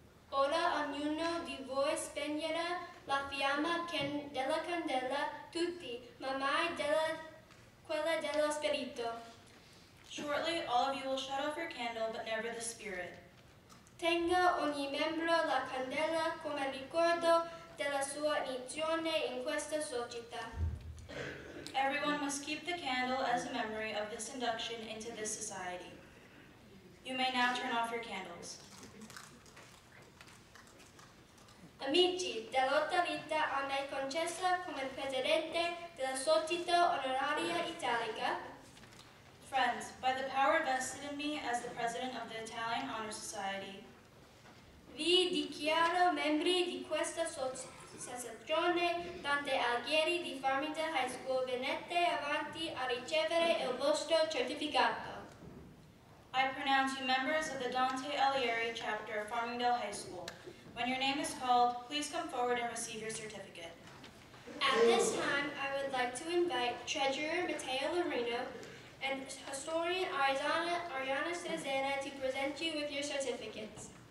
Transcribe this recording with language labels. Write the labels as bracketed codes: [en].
[it] Ora ognuno di voi spegnerà la fiamma della candela, tutti, ma mai quella dello spirito. [en] Shortly, all of you will shut off your candle, but never the spirit. [it] Tenga ogni membro la candela come ricordo della sua missione in questa società. [en] Everyone must keep the candle as a memory of this induction into this society. You may now turn off your candles. [it] Amici, dell'altra vita a me concessa come presidente della Società Onoraria Italica. [en] Friends, by the power vested in me as the president of the Italian Honor Society, [it] vi dichiaro membri di questa associazione Dante Alighieri di Farmingdale High School. Venite avanti a ricevere il vostro certificato. [en] I pronounce you members of the Dante Alighieri chapter of Farmingdale High School. When your name is called, please come forward and receive your certificate. At this time, I would like to invite Treasurer Matteo Lorino and Historian Ariana Cesena to present you with your certificates.